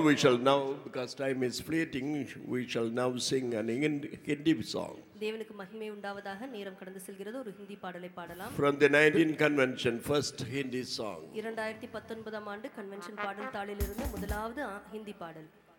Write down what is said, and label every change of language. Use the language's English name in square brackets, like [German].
[English] We shall now, because time is fleeting, we shall now sing an Hindi song. [Tamil] தேவனுக்கு மகிமை உண்டாவதாக நேரம் கடந்து செல்கிறது. ஒரு ஹிந்தி பாடலை பாடலாம். [English] From the 19th convention, first Hindi song. [Tamil] 2019 ஆண்டு கன்வென்ஷன் பாடல் தாளிலிருந்து முதலாவது ஹிந்தி பாடல்.